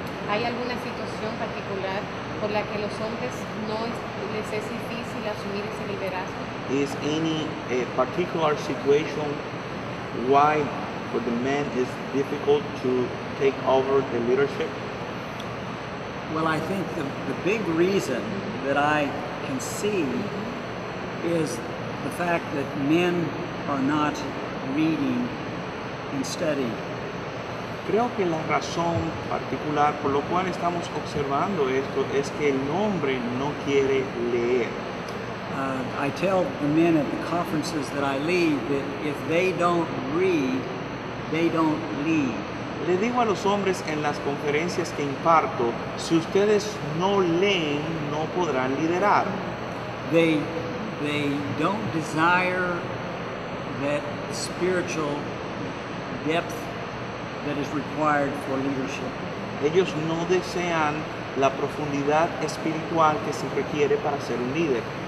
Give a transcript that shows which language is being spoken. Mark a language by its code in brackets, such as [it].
[es] hay alguna situación particular por la que los hombres no les es difícil asumir ese liderazgo? [en] Is any particular situation why for the men is difficult to take over the leadership? Well, I think the big reason that I can see is the fact that men are not reading and studying. [es] Creo que la razón particular por lo cual estamos observando esto es que el hombre no quiere leer. [en] I tell the men at the conferences that I lead that if they don't read, they don't lead. [es] Le digo a los hombres en las conferencias que imparto, si ustedes no leen, no podrán liderar. [en] They don't desire that spiritual depth that is required for leadership. [es] Ellos no desean la profundidad espiritual que se requiere para ser un líder.